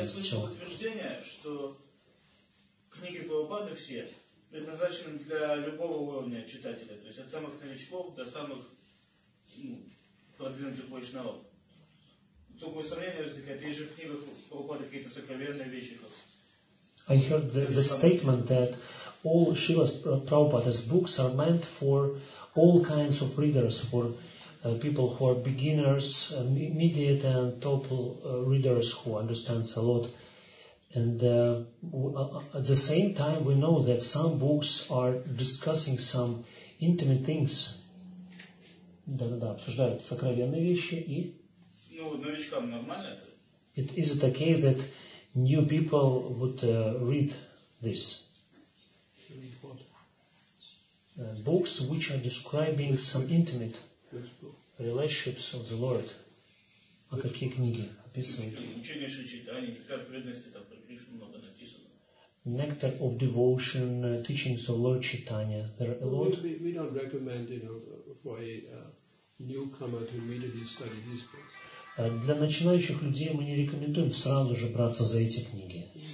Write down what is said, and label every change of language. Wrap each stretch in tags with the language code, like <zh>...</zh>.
<ru>Я слышал утверждение, что книги Прабхупады все предназначены для любого уровня читателя, то есть от самых новичков до самых, ну, продвинутых вайшнавов. Только сомнение возникает, есть же в книгах Прабхупады какие-то сокровенные вещи.</ru> <en>I heard the statement that all Srila Prabhupada's books are meant for all kinds of readers, for people who are beginners, intermediate and top readers who understand a lot. And at the same time, we know that some books are discussing some intimate things.</en> <ru>Да-да-да, обсуждают сокровенные вещи и... Ну, новичкам нормально это?</ru> <en>Is it okay that new people would read this? Read what? Books which are describing some intimate relationships of the Lord.</en> <ru>А какие книги описывают? Ученейшие читания, «Нектар преданности», там про Кришну много написано.</ru> <en>«Nectar of Devotion», «Teachings of Lord Chaitanya». There are a lot. We don't recommend, you know, for a newcomer to immediately study these books.</en> <ru>Для начинающих людей мы не рекомендуем сразу же браться за эти книги.</ru>